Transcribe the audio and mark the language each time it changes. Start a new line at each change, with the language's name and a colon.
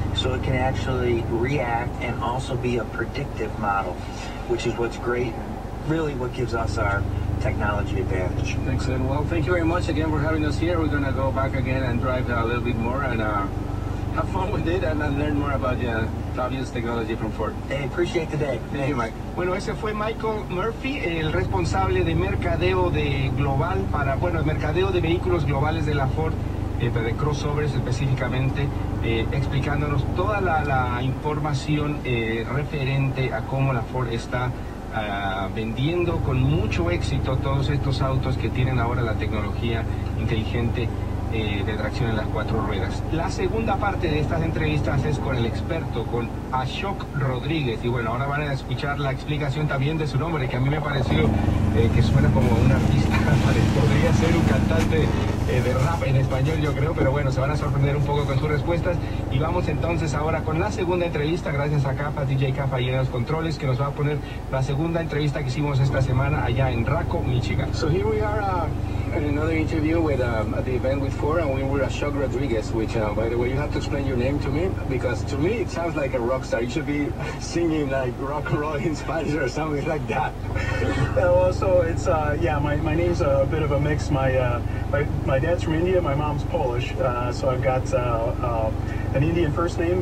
English: So it can actually react and also be a predictive model, which is what's great and really what gives us our technology advantage. Excellent. Well, thank you very much again for having us here. We're going to go back again and drive a little bit more and have fun with it and learn more about the fabulous technology from Ford. Hey, appreciate the day. Thank you, Mike.
Spanish: Bueno, ese fue Michael Murphy, el responsable de mercadeo de global para, bueno, el mercadeo de vehículos globales de la Ford, de crossovers específicamente, explicándonos toda la información referente a cómo la Ford está vendiendo con mucho éxito todos estos autos que tienen ahora la tecnología inteligente de tracción en las cuatro ruedas. La segunda parte de estas entrevistas es con el experto, con Ashok Rodríguez. Y bueno, ahora van a escuchar la explicación también de su nombre, que a mí me pareció que suena como un artista. Podría ser un cantante de rap en español, yo creo. Pero bueno, se van a sorprender un poco con sus respuestas. Y vamos entonces ahora con la segunda entrevista, gracias a Kafa, DJ Kafa, y en los controles, que nos va a poner la segunda entrevista que hicimos esta semana allá en Raco, Michigan.
English: So here we are in another interview with at the event with Ford, and we were Ashok Rodriguez, which by the way, you have to explain your name to me, because to me it sounds like a rock star. You should be singing like rock and roll in Spanish or something like that. My name's a bit of a mix. My dad's from India, my mom's Polish, so I've got an Indian first name.